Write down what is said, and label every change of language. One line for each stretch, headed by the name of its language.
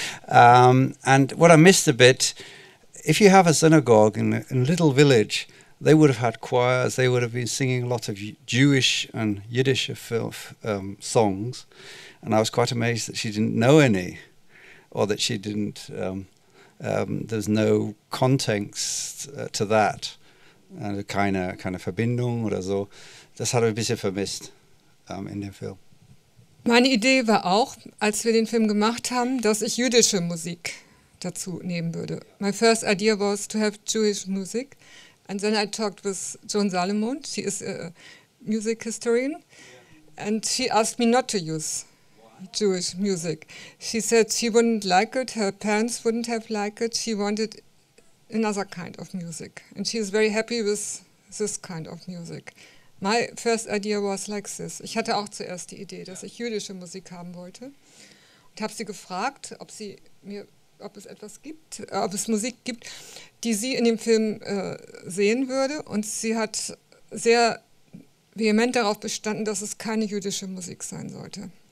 English: And what I missed a bit, if you have a synagogue in a little village, they would have had choirs, they would have been singing a lot of Jewish and Yiddish songs, and I was quite amazed that she didn't know any, or that she didn't, there's no context to that, and
German: keine Verbindung oder so. Das hat ein bisschen vermisst in dem Film. Meine Idee war auch, als wir den Film gemacht haben, dass ich jüdische Musik dazu nehmen würde.
English: My first idea was to have Jewish music. And then I talked with Joan Salomon, she is a music historian, and she asked me not to use Jewish music. She said she wouldn't like it, her parents wouldn't have liked it, she wanted another kind of music, and she is very happy with this kind of music. My first idea was like this.
German: Ich hatte auch zuerst die Idee, dass ich jüdische Musik haben wollte. Und habe sie gefragt, ob sie mir, ob es etwas gibt, ob es Musik gibt, die sie in dem Film sehen würde. Und sie hat sehr vehement darauf bestanden, dass es keine jüdische Musik sein sollte.